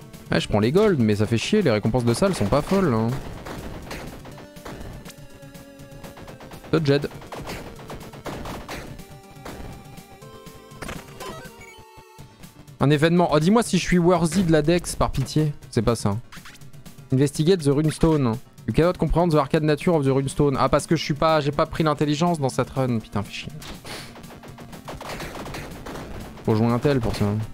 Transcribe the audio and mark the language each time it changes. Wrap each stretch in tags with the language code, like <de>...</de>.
<fr>Ouais, je prends les gold, mais ça fait chier, les récompenses de ça, elles sont pas folles. Hein. Dodge Jed. Un événement. Oh, dis-moi si je suis worthy de la Dex, par pitié. C'est pas ça.</fr> <en>Investigate the runestone. You cannot comprehend the arcane nature of the runestone.</en> <fr>Ah, parce que je suis pas, j'ai pas pris l'intelligence dans cette run. Putain, fais chier. Faut jouer un tel pour ça.</fr>